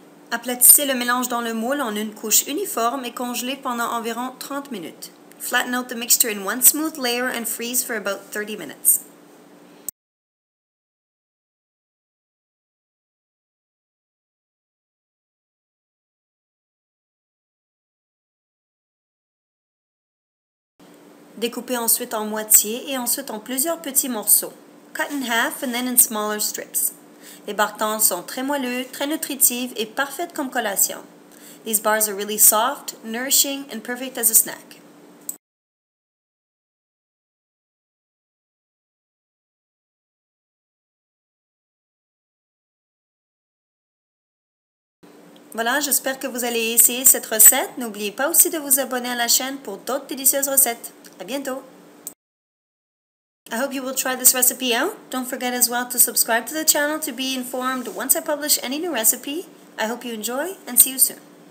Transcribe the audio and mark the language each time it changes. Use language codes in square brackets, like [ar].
[fr] Aplatissez le mélange dans le moule en une couche uniforme et congelez pendant environ 30 minutes. [en] Flatten out the mixture in one smooth layer and freeze for about 30 minutes. [fr] Découpez ensuite en moitié et ensuite en plusieurs petits morceaux. [en] Cut in half and then in smaller strips. [fr] Les barres tendres sont très moelleux, très nutritives et parfaites comme collation. [en] These bars are really soft, nourishing and perfect as a snack. [fr] Voilà, j'espère que vous allez essayer cette recette. N'oubliez pas aussi de vous abonner à la chaîne pour d'autres délicieuses recettes. À bientôt! [en] I hope you will try this recipe out. Don't forget as well to subscribe to the channel to be informed once I publish any new recipe. I hope you enjoy and see you soon.